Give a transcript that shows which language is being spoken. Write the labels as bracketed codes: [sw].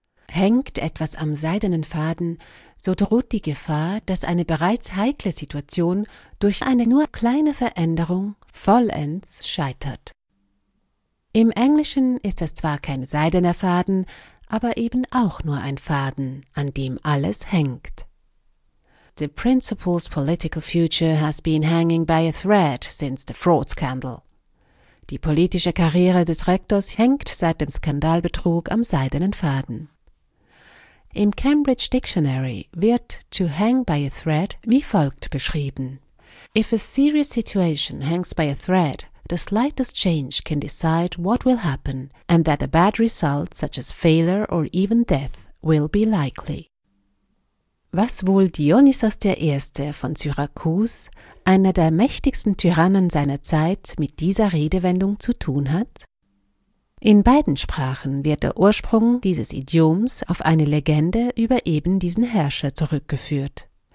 [de] Hängt etwas am seidenen Faden, so droht die Gefahr, dass eine bereits heikle Situation durch eine nur kleine Veränderung vollends scheitert. Im Englischen ist das zwar kein seidener Faden, aber eben auch nur ein Faden, an dem alles hängt. [en] The principal's political future has been hanging by a thread since the fraud scandal. [de] Die politische Karriere des Rektors hängt seit dem Skandalbetrug am seidenen Faden. Im Cambridge Dictionary wird [en] to hang by a thread [de] wie folgt beschrieben. [en] If a serious situation hangs by a thread, the slightest change can decide what will happen and that a bad result, such as failure or even death, will be likely. [de] Was wohl Dionysos I. von Syrakus, einer der mächtigsten Tyrannen seiner Zeit, mit dieser Redewendung zu tun hat? In beiden Sprachen wird der Ursprung dieses Idioms auf eine Legende über eben diesen Herrscher zurückgeführt.